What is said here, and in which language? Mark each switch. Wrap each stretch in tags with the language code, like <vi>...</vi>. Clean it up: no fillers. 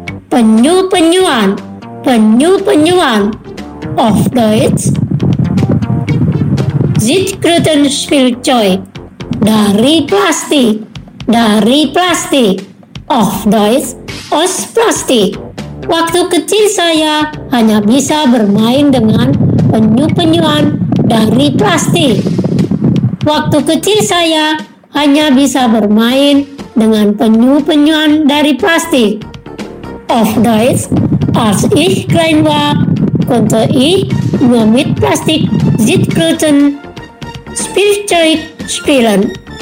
<id>Penyu-penyuan,</id> <de>auf Deutsch. Zitkrötenspielzeug,</de> <id>dari plastik,</id> <de>auf Deutsch, aus Plastik.</de> <id>Waktu kecil saya hanya bisa bermain dengan penyu-penyuan dari plastik. Waktu kecil saya hanya bisa bermain dengan penyu-penyuan dari plastik.</id> <de>Auf Deutsch, als ich klein war, konnte ich nur mit Plastik Zitkröten Spielzeug spielen.</de>